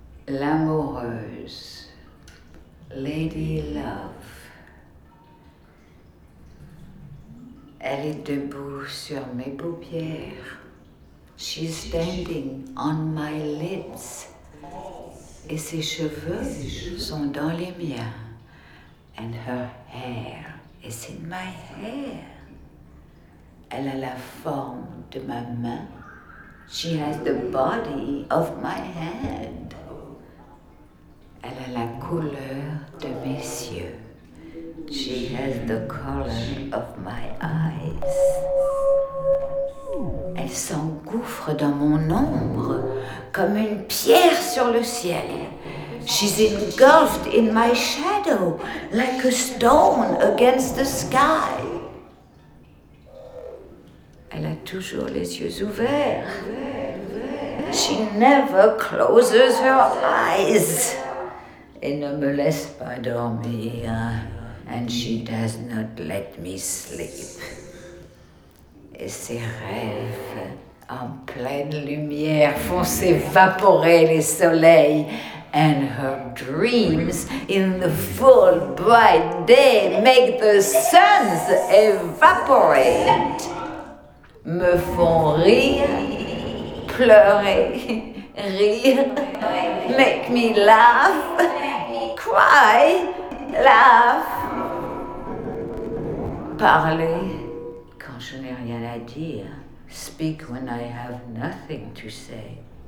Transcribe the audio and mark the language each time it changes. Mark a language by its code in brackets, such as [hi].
[fr] L'amoureuse, Lady Love, elle est debout sur mes paupières. [en] She's standing on my lips. [fr] Et ses cheveux sont dans les miens. [en] And her hair is in my hair. [fr] Elle a la forme de ma main. [en] She has the body of my hand. [fr] Elle a la couleur de mes yeux. [en] She has the color of my eyes. [fr] Elle s'engouffre dans mon ombre comme une pierre sur le ciel. [en] She's engulfed in my shadow like a stone against the sky. [fr] Elle a toujours les yeux ouverts. [en] She never closes her eyes. [fr] Et ne me laisse pas dormir. [en] And she does not let me sleep. [fr] Et ses rêves en pleine lumière font s'évaporer les soleils. [en] And her dreams in the full bright day make the suns evaporate. [fr] Me font rire, pleurer, rire, [en] make me laugh, cry, laugh. [fr] Parler quand je n'ai rien à dire. [en] Speak when I have nothing to say.